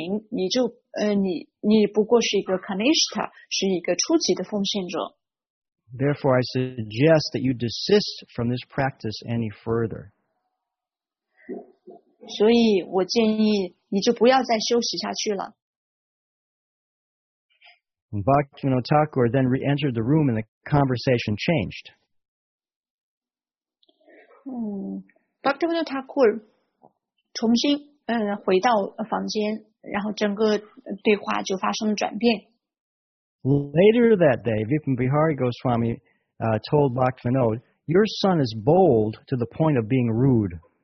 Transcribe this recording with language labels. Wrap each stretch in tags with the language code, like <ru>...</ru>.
<zh>你连进步的人和不进步的人都区分不了,看来这就证明你不过是一个 Kanishta, 是一个初级的奉献者。</zh> <en>Therefore, I suggest that you desist from this practice any further.</en> <zh>所以我建议你就不要再休息下去了。</zh> <en>Bhaktivinoda Thakur then re-entered the room and the conversation changed.</en> <zh>Bhaktivinoda Thakur 重新回到房间,然后整个对话就发生了转变。</zh> <en>Later that day, Vipinbihari Goswami told Bhaktivinoda, your son is bold to the point of being rude.</en>